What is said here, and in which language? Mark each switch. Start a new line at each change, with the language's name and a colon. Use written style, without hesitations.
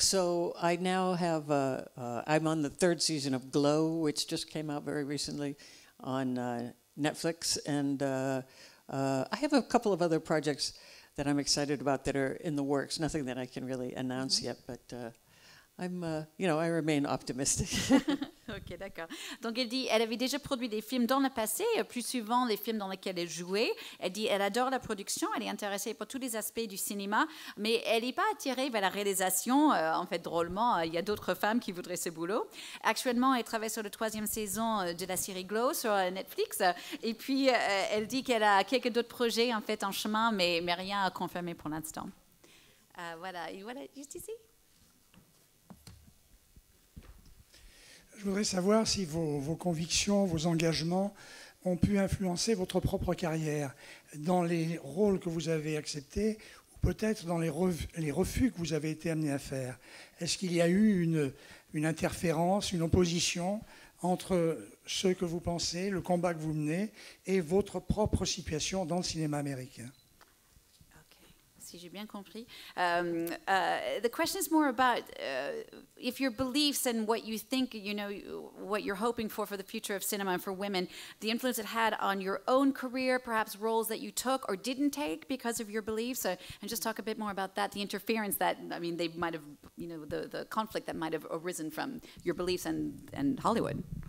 English: So I now have, I'm on the third season of Glow, which just came out very recently on Netflix. And I have a couple of other projects that I'm excited about that are in the works. Nothing that I can really announce yet, but I'm, you know, I remain optimistic.
French: Ok, d'accord. Donc elle dit, elle avait déjà produit des films dans le passé, plus souvent les films dans lesquels elle jouait. Elle dit, elle adore la production, elle est intéressée par tous les aspects du cinéma, mais elle n'est pas attirée vers la réalisation. En fait, drôlement, il y a d'autres femmes qui voudraient ce boulot. Actuellement, elle travaille sur la troisième saison de la série Glow sur Netflix. Et puis, elle dit qu'elle a quelques d'autres projets en fait en chemin, mais rien à confirmer pour l'instant. Voilà, voilà, juste ici. Je voudrais savoir si vos convictions, vos engagements ont pu influencer votre propre carrière dans les rôles que vous avez acceptés ou peut-être dans les refus que vous avez été amené à faire. Est-ce qu'il y a eu une interférence, une opposition entre ce que vous pensez, le combat que vous menez et votre propre situation dans le cinéma américain ? Si j'ai bien compris.
English: The question is more about if your beliefs and what you think, you know, what you're hoping for the future of cinema and for women, the influence it had on your own career, perhaps roles that you took or didn't take because of your beliefs. So, and just talk a bit more about that, the interference that, I mean, they might have, you know, the conflict that might have arisen from your beliefs and Hollywood.